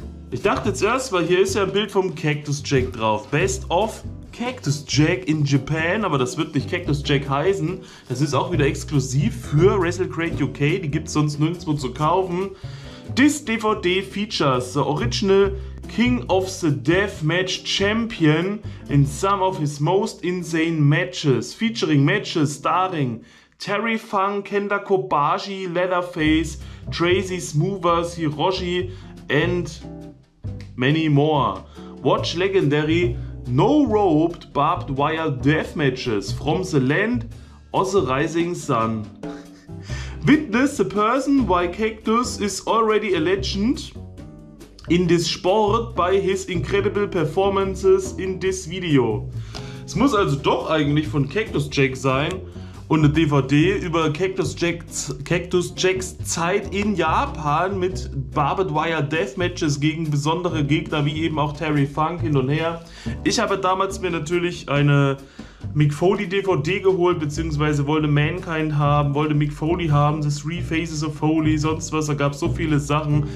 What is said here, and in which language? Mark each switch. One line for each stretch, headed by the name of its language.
German: Ich dachte zuerst, weil hier ist ja ein Bild vom Cactus Jack drauf. Best of Cactus Jack in Japan, aber das wird nicht Cactus Jack heißen. Das ist auch wieder exklusiv für WrestleCrate UK, die gibt es sonst nirgendwo zu kaufen.
English: This DVD features the original King of the Deathmatch Champion in some of his most insane matches. Featuring matches starring Terry Funk, Kenta Kobashi, Leatherface, Tracy Smoothers, Hiroshi and many more. Watch legendary no-roped barbed wire deathmatches from the land of the rising sun. Witness the person why Cactus is already a legend in this sport by his incredible performances in this video.
German: Es muss also doch eigentlich von Cactus Jack sein und eine DVD über Cactus Jacks Zeit in Japan mit Barbed Wire Deathmatches gegen besondere Gegner wie eben auch Terry Funk hin und her. Ich habe damals mir natürlich eine Mick Foley DVD geholt, beziehungsweise wollte Mankind haben, wollte Mick Foley haben, The Three Faces of Foley, sonst was, da gab es so viele Sachen.